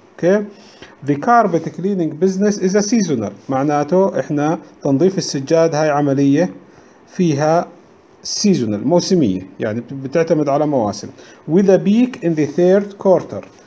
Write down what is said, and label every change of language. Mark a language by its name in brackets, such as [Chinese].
[English] Okay, the carpet cleaning business is a seasonal. [Arabic] معناته احنا تنظيف السجاد هاي عمليه فيها seasonal، موسميه، يعني بتعتمد على مواسم. [English] with a peak in the third quarter.